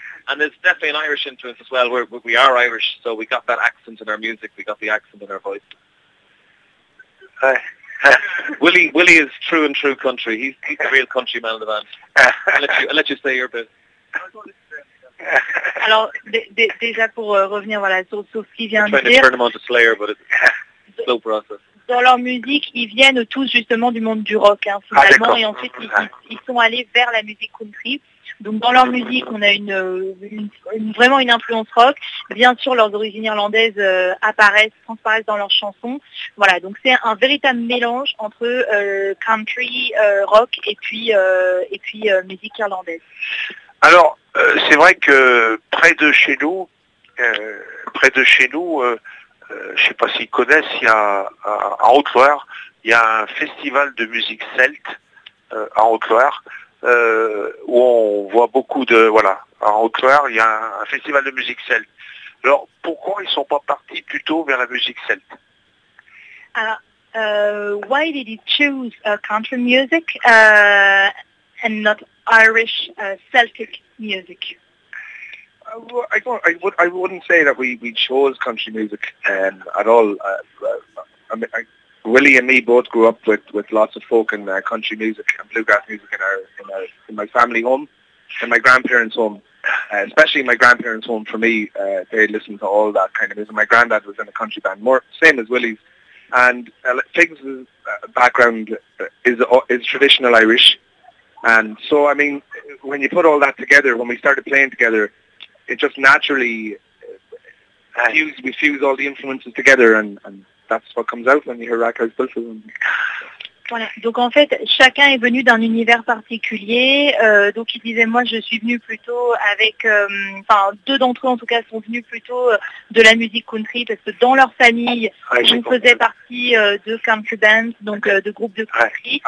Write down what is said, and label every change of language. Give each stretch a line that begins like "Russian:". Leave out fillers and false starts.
English: And there's definitely an Irish influence as well. We are Irish, so we got that accent in our music. We got the accent in our voice. Willie is true and true country. He's a real country man in the band. I'll let you say your bit.
French: Alors, déjà pour revenir voilà, sur ce qui vient de dire, dans leur musique, ils viennent tous justement du monde du rock, hein, finalement, et ensuite, ils sont allés vers la musique country. Donc, dans leur musique, on a vraiment une influence rock. Bien sûr, leurs origines irlandaises transparaissent dans leurs chansons. Voilà, donc c'est un véritable mélange entre country, rock, et puis musique irlandaise. Alors, c'est vrai que près de chez nous, je ne sais pas s'ils connaissent, en Haute-Loire, il y a un festival de musique celte en Haute-Loire, où on voit beaucoup de... Voilà, en Haute-Loire, il y a un festival de musique celte. Alors, pourquoi ils ne sont pas partis plutôt vers la musique celte?
English: Why did you choose country music and not Irish Celtic music? I wouldn't say that we chose country music at all. Willie and me both grew up with lots of folk and country music and bluegrass music in my family home, in my grandparents' home. Especially in my grandparents' home, for me, they listened to all that kind of music. My granddad was in a country band, more same as Willie's. And Figgs' background is traditional Irish. And so, I mean, when you put all that together, when we started playing together, it just naturally we fuse all the influences together, and that's what comes out when you hear Rakers Bulls.
French: Voilà. Donc en fait, chacun est venu d'un univers particulier. Donc il disait, moi je suis venu plutôt avec, deux d'entre eux en tout cas sont venus plutôt de la musique country, parce que dans leur famille, ils faisaient partie de country bands, donc de groupes de country.